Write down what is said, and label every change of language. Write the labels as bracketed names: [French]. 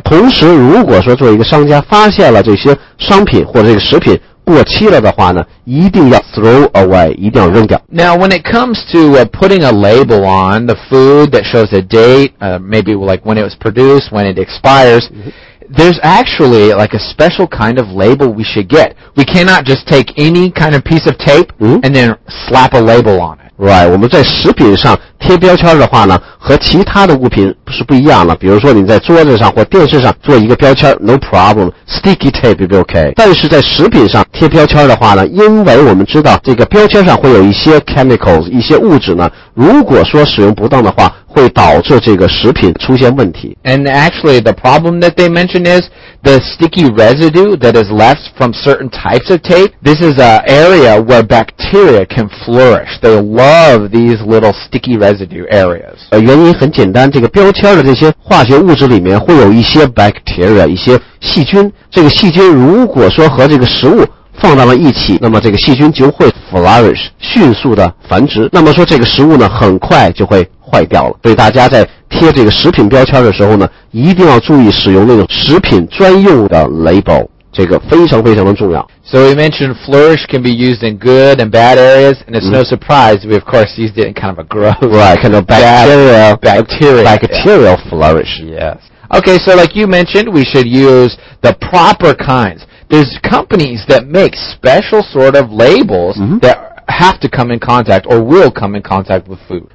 [Chinese] 同时如果说作为一个商家发现了这些商品或者这个食品过期了的话呢一定要 [English] throw away, [Chinese] 一定要扔掉。 [English] Now, when it comes to、putting a label on the food that shows a date,、maybe like when it was produced, when it expires,、there's actually like a special kind of label we should get. We cannot just take any kind of piece of tape、and then slap a label on it. [Chinese] Right, 我们在食品上贴标签的话呢和其他的物品是不一样的。比如说你在桌子上或电视上做一个标签 [English] no problem, sticky tape will be okay. [Chinese] 但是在食品上贴标签的话呢因为我们知道这个标签上会有一些 chemicals, 一些物质呢如果说使用不当的话会导致这个食品出现问题。 [English] And actually the problem that they mention is the sticky residue that is left from certain types of tape, this is an area where bacteria can flourish. They love these little sticky residue areas. [Chinese] 原因很简单这个标签的这些化学物质里面会有一些 bacteria, 一些细菌。这个细菌如果说和这个食物放到了一起那么这个细菌就会 flourish, 迅速的繁殖。那么说这个食物呢很快就会坏掉了。所以大家在贴这个食品标签的时候呢一定要注意使用那种食品专用的 label, 这个非常非常的重要。 [English] So we mentioned flourish can be used in good and bad areas, and it's no surprise we of course used it in kind of a gross. Right, kind of bacterial flourish. Yes. Okay, so like you mentioned, we should use the proper kinds. There's companies that make special sort of labels、that have to come in contact or will come in contact with food.